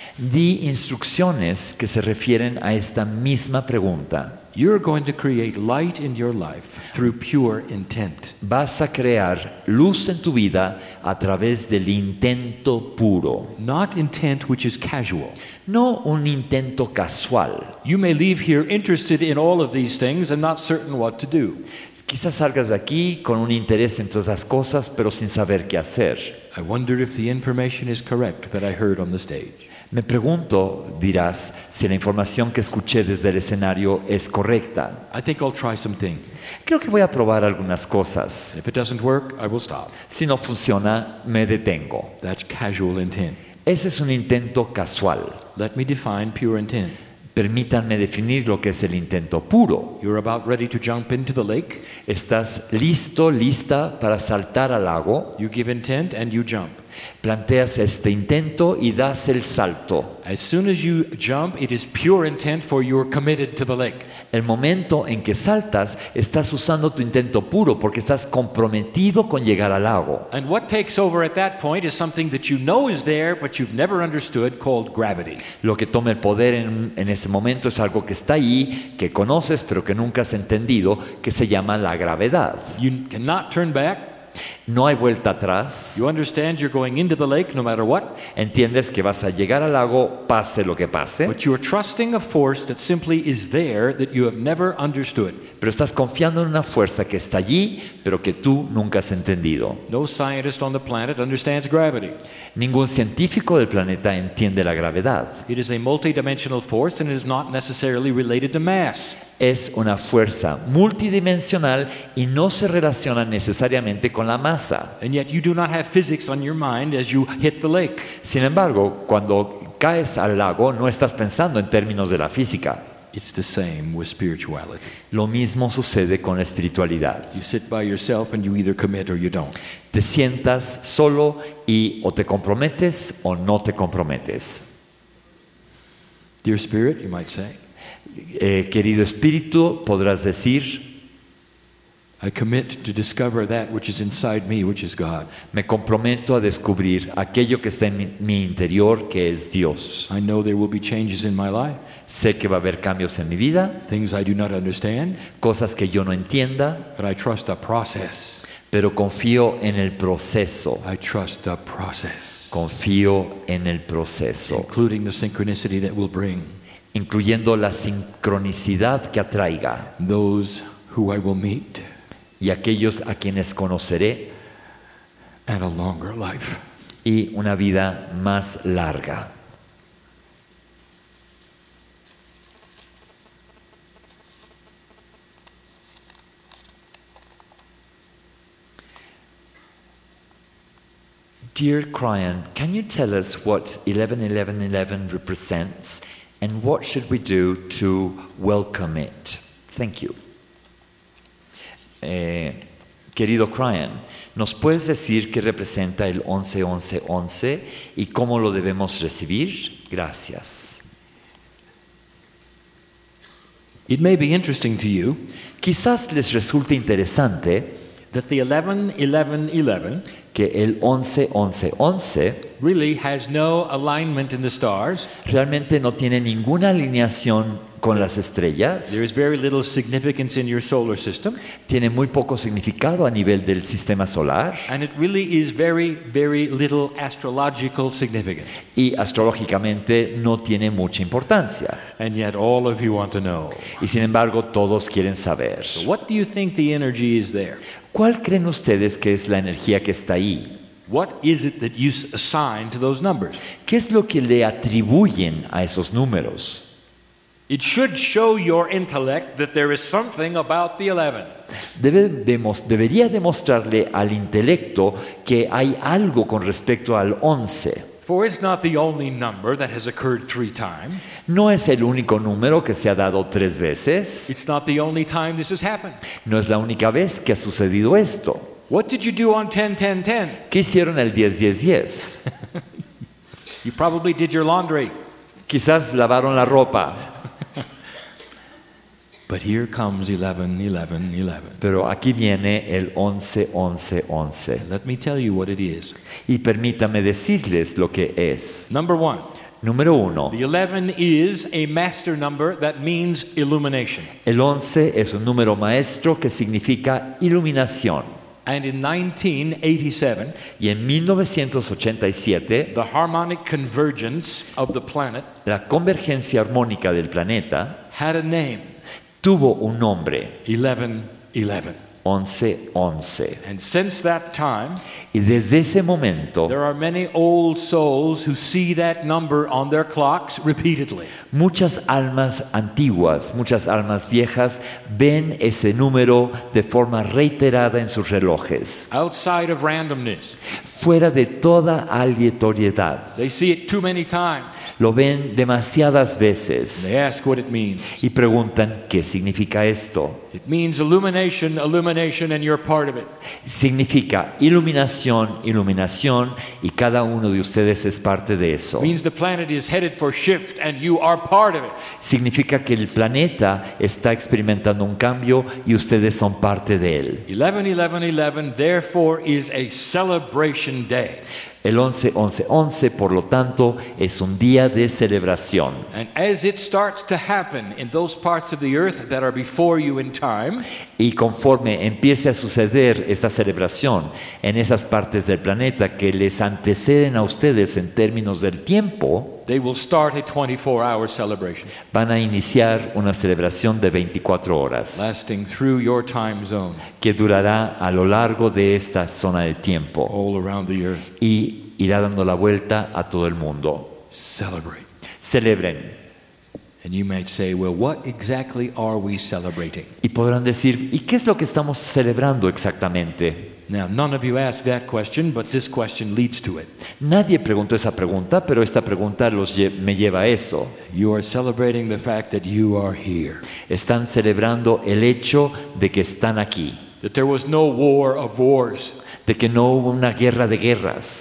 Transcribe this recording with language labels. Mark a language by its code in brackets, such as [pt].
[es] Di instrucciones que se refieren a esta misma pregunta. [en] You're going to create light in your life through pure intent. [es] Vas a crear luz en tu vida a través del intento puro. [en] Not intent which is casual. [es] No un intento casual. [en] You may leave here interested in all of these things and not certain what to do. [es] Quizás salgas de aquí con un interés en todas las cosas, pero sin saber qué hacer. [en] I wonder if the information is correct that I heard on the stage. [es] Me pregunto, dirás, si la información que escuché desde el escenario es correcta. [en] I think I'll try some things. [es] Creo que voy a probar algunas cosas. [en] If it doesn't work, I will stop. [es] Si no funciona, me detengo. [en] That's casual intent. [es] Ese es un intento casual. [en] Let me define pure intent. [es] Permítanme definir lo que es el intento puro. [en] You're about ready to jump into the lake. [es] Estás listo, lista para saltar al lago. [en] You give intent and you jump. [es] Planteas este intento y das el salto. [en] As soon as you jump, it is pure intent for you're committed to the lake. [es] El momento en que saltas, estás usando tu intento puro porque estás comprometido con llegar al lago. [en] And what takes over at that point is something that you know is there but you've never understood, called gravity. [es] Lo que toma el poder en ese momento es algo que está ahí, que conoces pero que nunca has entendido, que se llama la gravedad. [en] You cannot turn back. [es] No hay vuelta atrás. [en] You understand you're going into the lake no matter what. [es] Entiendes que vas a llegar al lago pase lo que pase. [en] But you are trusting a force that simply is there that you have never understood. [es] Pero estás confiando en una fuerza que está allí, pero que tú nunca has entendido. [en] No scientist on the planet understands gravity. [es] Ningún científico del planeta entiende la gravedad. [en] It is a multidimensional force and it is not necessarily related to mass. [es] Es una fuerza multidimensional y no se relaciona necesariamente con la masa. [en] And yet you do not have physics on your mind as you hit the lake. [es] Sin embargo, cuando caes al lago, no estás pensando en términos de la física. [en] It's the same with spirituality. [es] Lo mismo sucede con la espiritualidad. [en] You sit by yourself and you either commit or you don't. [es] Te sientas solo y o te comprometes o no te comprometes. [en] Dear spirit, you might say. [es] Querido espíritu, podrás decir, [en] I commit to discover that which is inside me, which is God. [es] Me comprometo a descubrir aquello que está en mi interior, que es Dios. [en] I know there will be changes in my life. [es] Sé que va a haber cambios en mi vida. [en] Things I do not understand. [es] Cosas que yo no entienda. [en] But I trust the process. [es] Pero confío en el proceso. [en] I trust the process. [es] Confío en el proceso. [en] Including the synchronicity that will bring. [es] Incluyendo la sincronicidad que atraiga. [en] Those who I will meet. [es] Y aquellos a quienes conoceré. [en] And a longer life. [es] Y una vida más larga. [en] Dear Cryon, can you tell us what 11-11-11 represents? And what should we do to welcome it? Thank you. [es] Querido Cryon, ¿nos puedes decir qué representa el 11-11-11 y cómo lo debemos recibir? Gracias. [en] It may be interesting to you. [es] Quizás les resulte interesante [en] that the 11-11-11 [es] que el 11-11-11 [en] really has no alignment in the stars. [es] Realmente no tiene ninguna alineación con las estrellas. [en] There is very little significance in your solar system. [es] Tiene muy poco significado a nivel del sistema solar. [en] And it really is very, very little astrological significance. [es] Y astrológicamente no tiene mucha importancia. [en] And yet all of you want to know. [es] Y sin embargo todos quieren saber. [en] So what do you think the energy is there? [es] ¿Cuál creen ustedes que es la energía que está ahí? [en] What is it that you assign to those numbers? [es] ¿Qué es lo que le atribuyen a esos números? [en] It should show your intellect that there is something about the 11. [es] Debería demostrarle al intelecto que hay algo con respecto al 11. [en] For it's not the only number that has occurred 3 times. [es] No es el único número que se ha dado 3 veces. [en] It's not the only time this has happened. [es] No es la única vez que ha sucedido esto. [en] What did you do on 10-10-10? [es] ¿Qué hicieron el 10-10-10? [en] You probably did your laundry. [es] Quizás lavaron la ropa. [en] But here comes 11-11-11. [es] Pero aquí viene el 11-11-11. [en] Let me tell you what it is. [es] Y permítame decirles lo que es. [en] Number one. [es] Número uno. [en] The 11 is a master number that means illumination. [es] El 11 es un número maestro que significa iluminación. [en] And in 1987, [es] y en 1987, [en] the harmonic convergence of the planet, [es] la convergencia armónica del planeta, [en] had a name. [es] Tuvo un nombre. [en] 11-11. [es] 11-11. [en] And since that time, [es] y desde ese momento, [en] there are many old souls who see that number on their clocks repeatedly. [es] Muchas almas antiguas, muchas almas viejas, ven ese número de forma reiterada en sus relojes. [en] Outside of randomness, [es] fuera de toda aleatoriedad. [en] They see it too many times. [es] Lo ven demasiadas veces. [en] They ask what it means. [es] Y preguntan, ¿qué significa esto? [en] It means illumination, illumination, and you're part of it. [es] Significa iluminación, iluminación, y cada uno de ustedes es parte de eso. [en] It means the planet is headed for shift, and you are part of it. [es] Significa que el planeta está experimentando un cambio, y ustedes son parte de él. [en] 11-11-11, therefore, is a celebration day. [es] El 11-11-11, por lo tanto, es un día de celebración. [en] And as it starts to happen in those parts of the earth that are before you in time, [es] y conforme empiece a suceder esta celebración en esas partes del planeta que les anteceden a ustedes en términos del tiempo, [en] they will start a 24-hour celebration. [es] Van a iniciar una celebración de 24 horas, [en] lasting through your time zone, [es] que durará a lo largo de esta zona de tiempo, [en] all around the earth, [es] y irá dando la vuelta a todo el mundo. [en] Celebrate. [es] Celebren. [en] And you might say, well, what exactly are we celebrating? [es] Y podrán decir, ¿y qué es lo que estamos celebrando exactamente? [en] Now, none of you asked that question, but this question leads to it. [es] Nadie preguntó esa pregunta, pero esta pregunta me lleva a eso. [en] You are celebrating the fact that you are here. [es] Están celebrando el hecho de que están aquí. [en] That there was no war of wars. [es] De que no hubo una guerra de guerras.